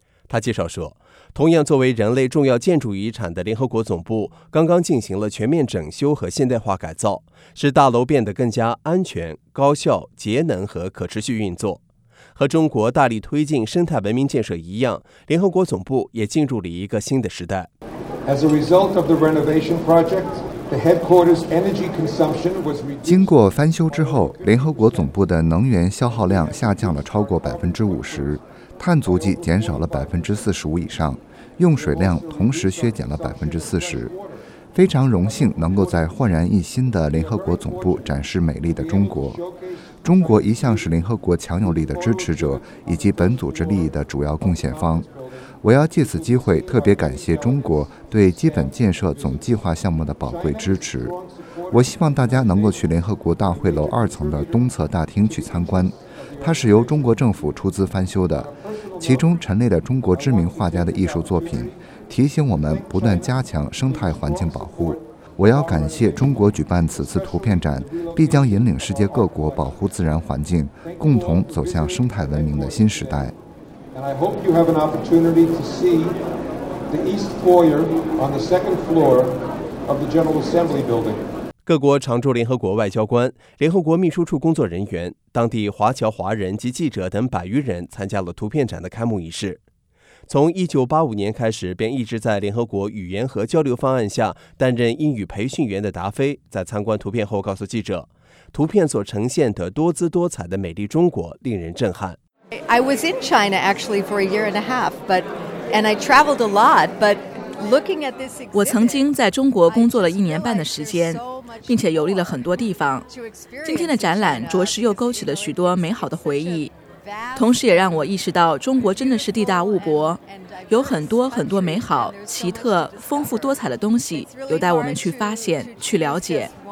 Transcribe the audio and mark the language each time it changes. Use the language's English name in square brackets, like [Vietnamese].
[Chinese] 他介绍说，同样作为人类重要建筑遗产的联合国总部刚刚进行了全面整修和现代化改造，使大楼变得更加安全、高效、节能和可持续运作。和中国大力推进生态文明建设一样，联合国总部也进入了一个新的时代。 [English] As a result of the renovation project, the headquarters energy consumption was reduced. [Chinese] 经过翻修之后，联合国总部的能源消耗量下降了超过50%，碳足迹减少了45%以上，用水量同时削减了40%。非常荣幸能够在焕然一新的联合国总部展示美丽的中国。中国一向是联合国强有力的支持者以及本组织利益的主要贡献方。我要借此机会特别感谢中国对基本建设总计划项目的宝贵支持。我希望大家能够去联合国大会楼二层的东侧大厅去参观，它是由中国政府出资翻修的，其中陈列的中国知名画家的艺术作品提醒我们不断加强生态环境保护。我要感谢中国举办此次图片展，必将引领世界各国保护自然环境，共同走向生态文明的新时代。 [English] And I hope you have an opportunity to see the East Foyer on the second floor of the General Assembly building. [Chinese] 各国常驻联合国外交官、联合国秘书处工作人员、当地华侨华人及记者等百余人参加了图片展的开幕仪式。从1985年开始便一直在联合国语言和交流方案下担任英语培训员的达菲，在参观图片后告诉记者，图片所呈现的多姿多彩的美丽中国令人震撼。 [English] I was in China actually for a year and a half, but and I traveled a lot. But looking at this, [Chinese] 我曾经在中国工作了一年半的时间，并且游历了很多地方。今天的展览着实又勾起了许多美好的回忆，同时也让我意识到中国真的是地大物博，有很多很多美好、奇特、丰富多彩的东西有待我们去发现、去了解。